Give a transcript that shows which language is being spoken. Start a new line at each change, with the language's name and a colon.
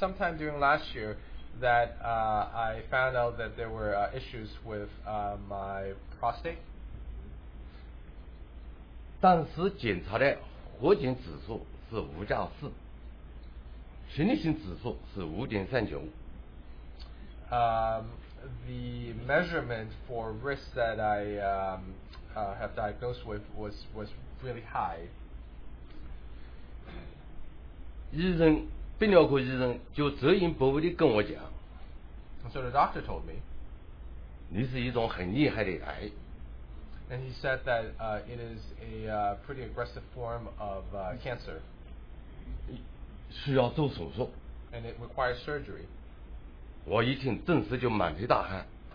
English: It was sometime during last year that I found out that there were issues with my prostate.
Chinese: 当时检查的活检指数是5.4，前列腺指数是5.39。
English: The measurement for risk that I have diagnosed with was really high.
Chinese: 医生，泌尿科医生就直言不讳地跟我讲。
English: So the doctor told me.
Chinese: 你是一种很厉害的癌。
English: And he said that it is a pretty aggressive form of cancer.
Chinese: 需要做手术。
English: And it requires surgery.
Chinese: 我一听，顿时就满头大汗。